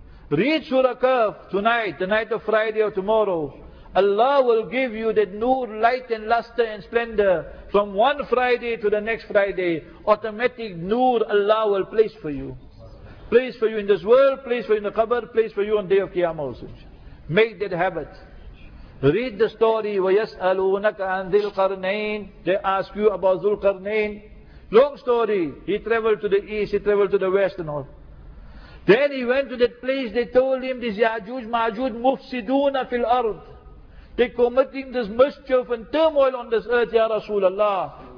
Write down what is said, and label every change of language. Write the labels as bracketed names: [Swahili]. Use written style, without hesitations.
[English] Read Surah Kahf tonight, the night of Friday or tomorrow. Allah will give you that nur, light and luster and splendor from one Friday to the next Friday. Automatic nur Allah will place for you. Place for you in this world, place for you in the qabr, place for you on day of Qiyamah also. Make that habit. Read the story, [Arabic] وَيَسْأَلُونَكَ عَنْ ذِي الْقَرْنَيْنِ. [English] They ask you about ذُو الْقَرْنَيْنِ. Long story, he traveled to the east, he traveled to the west and all. Then he went to that place, they told him, this Ya'juj Ma'juj [Arabic] mufsiduna fil ard. [English] They're committing this mischief and turmoil on this earth, Ya Rasulullah.